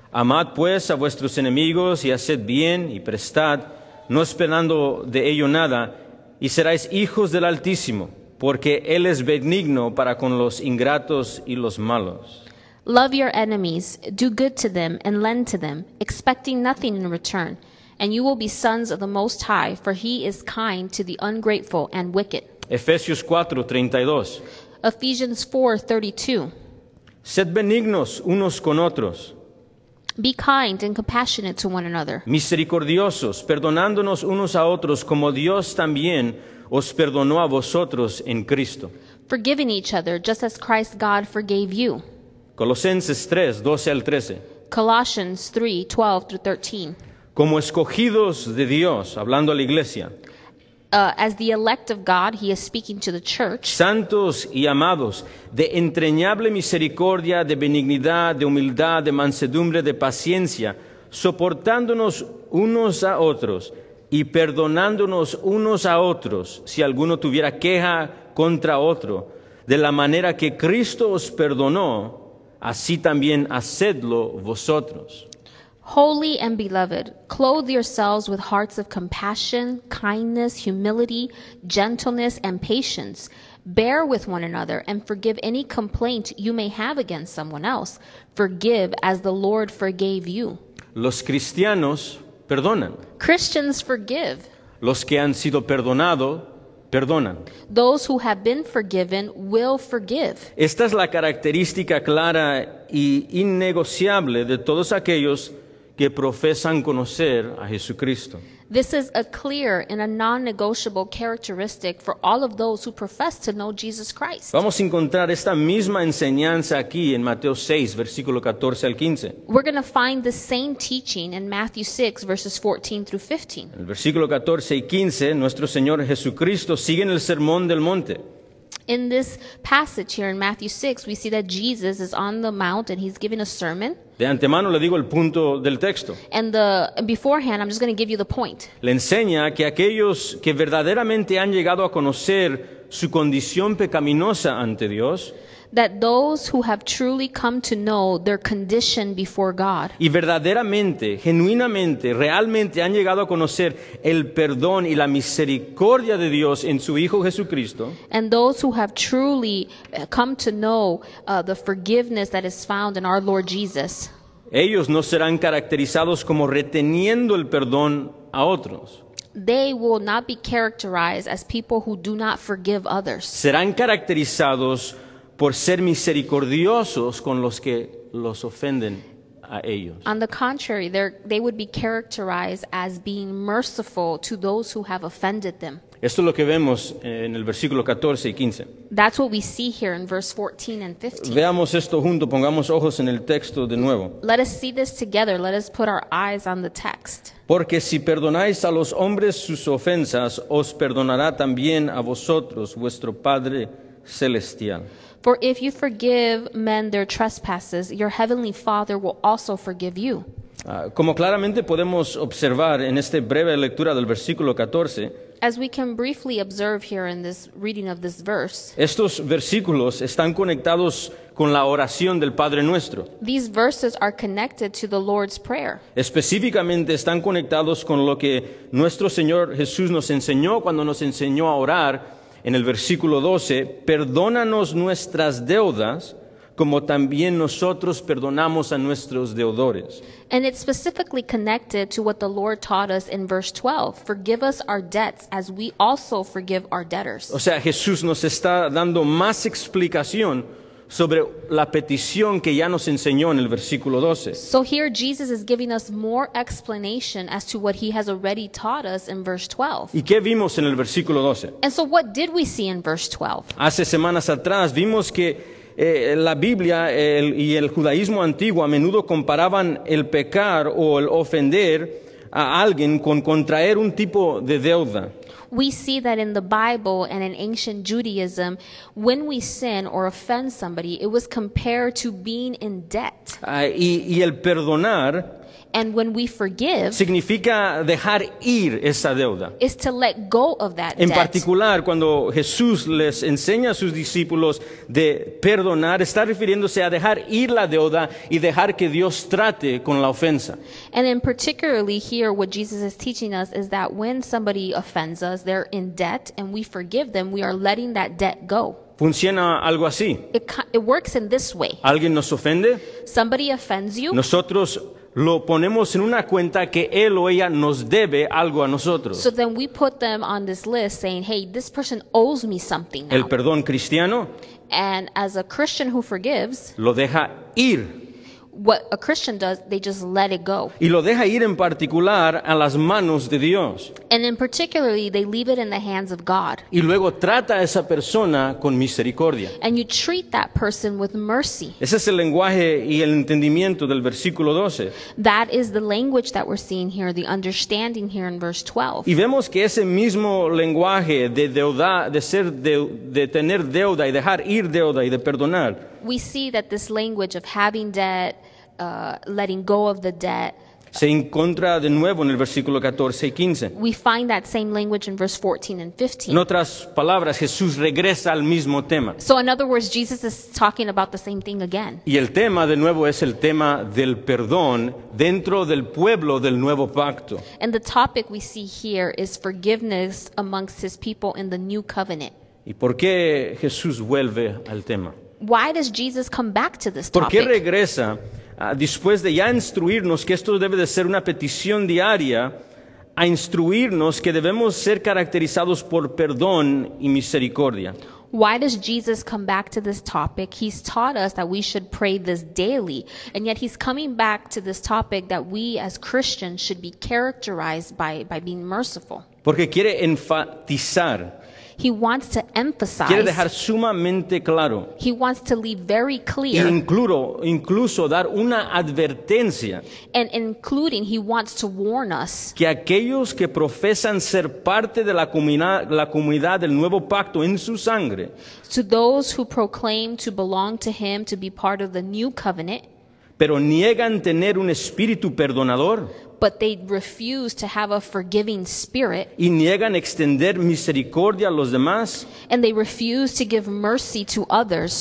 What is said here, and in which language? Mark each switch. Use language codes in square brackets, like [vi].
[es] Amad pues a vuestros enemigos y haced bien y prestad, no esperando de ello nada, y seréis hijos del Altísimo, porque Él es benigno para con los ingratos y los malos. [en] Love your enemies, do good to them, and lend to them, expecting nothing in return. And you will be sons of the Most High, for He is kind to the ungrateful and wicked. [es] Efesios 4:32. [en] Ephesians 4:32. [es] Sed benignos unos con otros. [en] Be kind and compassionate to one another. [es] Misericordiosos, perdonándonos unos a otros, como Dios también os perdonó a vosotros en Cristo. [en] Forgiving each other, just as Christ God forgave you. [es] Colosenses 3:12-13. [en] Colossians 3:12-13. [es] Como escogidos de Dios, hablando a la iglesia. [en] As the elect of God, he is speaking to the church. [es] Santos y amados, de entrañable misericordia, de benignidad, de humildad, de mansedumbre, de paciencia, soportándonos unos a otros y perdonándonos unos a otros, si alguno tuviera queja contra otro, de la manera que Cristo os perdonó, así también hacedlo vosotros. [en] Holy and beloved, clothe yourselves with hearts of compassion, kindness, humility, gentleness, and patience. Bear with one another and forgive any complaint you may have against someone else. Forgive as the Lord forgave you. [es] Los cristianos perdonan. [en] Christians forgive. [es] Los que han sido perdonados perdonan. [en] Those who have been forgiven will forgive. [es] Esta es la característica clara y innegociable de todos aquellos que profesan conocer a Jesucristo. [en] This is a clear and a non-negotiable characteristic for all of those who profess to know Jesus Christ. [es] Vamos a encontrar esta misma enseñanza aquí en Mateo 6:14-15. [en] We're going to find the same teaching in Matthew 6:14-15. [es] En el versículo 14 y 15, nuestro Señor Jesucristo sigue en el Sermón del Monte. [en] In this passage here in Matthew 6, we see that Jesus is on the mount and he's giving a sermon. [es] De antemano le digo el punto del texto. [en] And the, beforehand, I'm just going to give you the point. [es] Le enseña que aquellos que verdaderamente han llegado a conocer su condición pecaminosa ante Dios, [en] that those who have truly come to know their condition before God, [es] y verdaderamente, genuinamente, realmente han llegado a conocer el perdón y la misericordia de Dios en su Hijo Jesucristo, [en] and those who have truly come to know the forgiveness that is found in our Lord Jesus, [es] ellos no serán caracterizados como reteniendo el perdón a otros. [en] They will not be characterized as people who do not forgive others. [es] Serán caracterizados por ser misericordiosos con los que los ofenden a ellos. [en] On the contrary, they would be characterized as being merciful to those who have offended them. [es] Esto es lo que vemos en el versículo 14 y 15. [en] That's what we see here in verse 14 and 15. [es] Veamos esto junto, pongamos ojos en el texto de nuevo. [en] Let us see this together. Let us put our eyes on the text. [es] Porque si perdonáis a los hombres sus ofensas, os perdonará también a vosotros vuestro Padre Celestial. [en] For if you forgive men their trespasses, your heavenly Father will also forgive you. [es] Como claramente podemos observar en esta breve lectura del versículo 14, [en] as we can briefly observe here in this reading of this verse, [es] estos versículos están conectados con la oración del Padre Nuestro. [en] These verses are connected to the Lord's Prayer. [es] Específicamente están conectados con lo que nuestro Señor Jesús nos enseñó cuando nos enseñó a orar. En el versículo 12, perdónanos nuestras deudas, como también nosotros perdonamos a nuestros deudores. [en] And it's specifically connected to what the Lord taught us in verse 12. Forgive us our debts as we also forgive our debtors. [es] O sea, Jesús nos está dando más explicación sobre la petición que ya nos enseñó en el versículo 12. [en] So here Jesus is giving us more explanation as to what he has already taught us in verse 12. [es] ¿Y qué vimos en el versículo 12? [en] And so what did we see in verse 12? [es] Hace semanas atrás vimos que la Biblia y el judaísmo antiguo a menudo comparaban el pecar o el ofender a alguien con contraer un tipo de deuda. [en] We see that in the Bible and in ancient Judaism, when we sin or offend somebody, it was compared to being in debt. [es] Y el perdonar, [en] And when we forgive, [es] significa dejar ir esa deuda. [en] Is to let go of that debt. [es] En particular, cuando Jesús les enseña a sus discípulos de perdonar, está refiriéndose a dejar ir la deuda y dejar que Dios trate con la ofensa. [en] And in particularly here, what Jesus is teaching us is that when somebody offends us, they're in debt, and we forgive them, we are letting that debt go. [es] Funciona algo así. [en] It works in this way. [es] Alguien nos ofende. [en] Somebody offends you. [es] Nosotros lo ponemos en una cuenta que él o ella nos debe algo a nosotros. [en] So then we put them on this list saying, hey, this person owes me something now. [es] El perdón cristiano. [en] And as a Christian who forgives, [es] lo deja ir. [en] What a Christian does, they just let it go. [es] Y lo deja ir en particular a las manos de Dios. [en] And in particularly, they leave it in the hands of God. [es] Y luego trata a esa persona con misericordia. [en] And you treat that person with mercy. [es] Ese es el lenguaje y el entendimiento del versículo 12. [en] That is the language that we're seeing here, the understanding here in verse 12. [es] Y vemos que ese mismo lenguaje de deuda, de tener deuda y dejar ir deuda y de perdonar. [en] We see that this language of having debt, letting go of the debt, [es] se encuentra de nuevo en el versículo 14 y 15. [en] We find that same language in verse 14 and 15. [es] En otras palabras, Jesús regresa al mismo tema. [en] So in other words, Jesus is talking about the same thing again. [es] Y el tema de nuevo es el tema del perdón dentro del pueblo del nuevo pacto. [en] And the topic we see here is forgiveness amongst his people in the new covenant. [es] ¿Y por qué Jesús vuelve al tema? [en] Why does Jesus come back to this topic? [es] ¿Por qué regresa después de ya instruirnos que esto debe de ser una petición diaria a instruirnos que debemos ser caracterizados por perdón y misericordia? [en] Why does Jesus come back to this topic? He's taught us that we should pray this daily, and yet he's coming back to this topic that we as Christians should be characterized by being merciful. [es] Porque quiere enfatizar. [en] He wants to emphasize. [es] Quiere dejar sumamente claro. [en] He wants to leave very clear. [es] Incluso dar una advertencia. [en] And including, he wants to warn us. [es] Que aquellos que profesan ser parte de la comunidad del nuevo pacto en su sangre. [en] To those who proclaim to belong to him, to be part of the new covenant. [es] Pero niegan tener un espíritu perdonador. [en] But they refuse to have a forgiving spirit. [es] Y niegan extender misericordia a los demás. [en] And they refuse to give mercy to others.